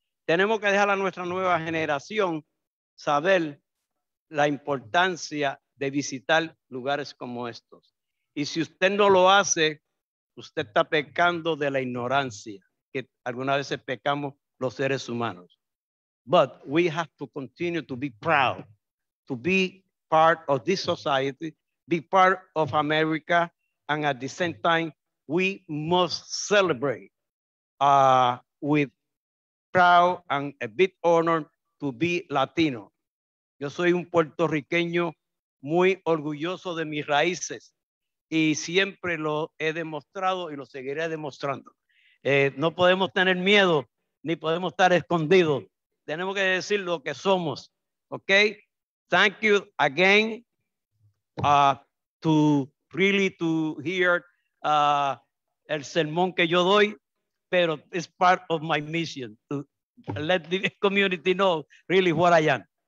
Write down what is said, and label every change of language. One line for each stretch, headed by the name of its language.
Spanish: Tenemos que dejar a nuestra nueva generación saber la importancia de visitar lugares como estos. Y si usted no lo hace, usted está pecando de la ignorancia, que algunas veces pecamos los seres humanos.
English: But we have to continue to be proud, to be part of this society, be part of America, and at the same time, we must celebrate with proud and a bit honored to be Latino.
Spanish: Yo soy un puertorriqueño muy orgulloso de mis raíces y siempre lo he demostrado y lo seguiré demostrando. No podemos tener miedo ni podemos estar escondidos. Tenemos que decir lo que somos, okay?
English: Thank you again to really to hear
Spanish: el sermón que yo doy, pero
English: it's part of my mission to let the community know really what I am.